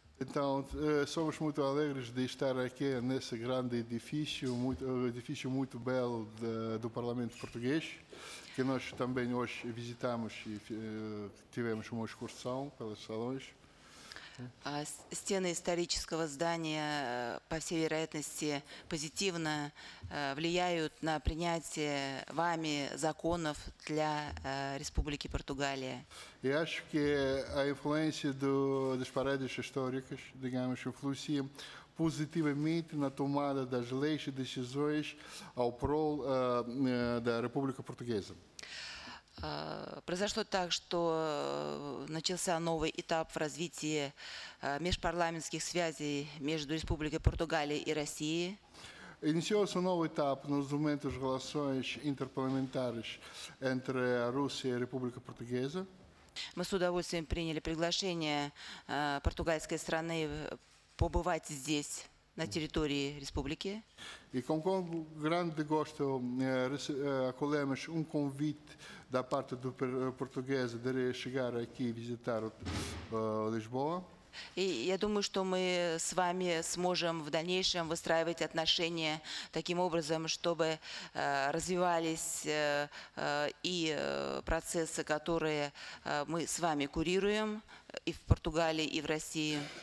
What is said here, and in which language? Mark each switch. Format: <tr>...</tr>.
<pt>Então, somos muito alegres de estar aqui nesse grande edifício muito belo do Parlamento Português, que nós também hoje visitamos e tivemos uma excursão pelos salões.</pt> <ru>Стены исторического здания, по всей вероятности, позитивно влияют на принятие вами законов для Республики Португалия.</ru> <pt>Eu acho que a influência das paredes históricas, digamos, influencia positivamente na tomada das leis e decisões ao prol da República Portuguesa.</pt> <ru>Произошло так, что начался новый этап в развитии межпарламентских связей между Республикой Португалия и Россией.</ru> <pt>Iniciou-se um novo etapa nos momentos de relações interparlamentares entre a Rússia e a República Portuguesa.</pt> <ru>Мы с удовольствием приняли приглашение португальской страны побывать здесь, на территории республики. И</ru> <pt>com grande gosto acolhemos convite da parte do português de chegar aqui visitar Lisboa.</pt> <ru>И я думаю, что мы с вами сможем в дальнейшем выстраивать отношения таким образом, чтобы развивались и процессы, которые мы с вами курируем и в Португалии, и в России.</ru>